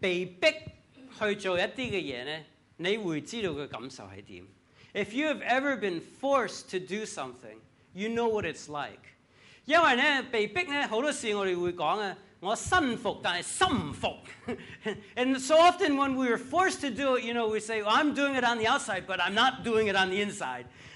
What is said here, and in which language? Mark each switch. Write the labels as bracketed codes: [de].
[zh] 如果你是被迫去做一些事呢, [en] if you have ever been forced to do something, you know what it's like. [zh] 因為呢,被迫呢,很多事我們會說,我心服,但是心服. [en] And so often when we are forced to do it, you know, we say, well, I'm doing it on the outside, but I'm not doing it on the inside.